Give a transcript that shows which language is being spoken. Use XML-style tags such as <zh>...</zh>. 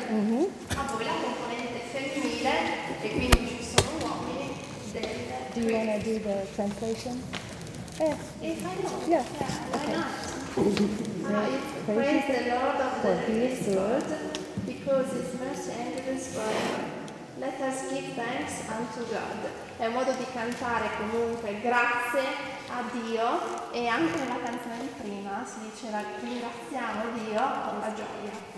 <it>A voi la componente femminile, e quindi ci sono uomini del.</it> <en>Do you want to do the translation? Praise the Lord of the Lord, because his mercy endures forever. Let us give thanks unto God.</en> <it>È un modo di cantare comunque grazie a Dio, e anche nella canzone di prima si diceva ringraziamo Dio con la gioia.</it>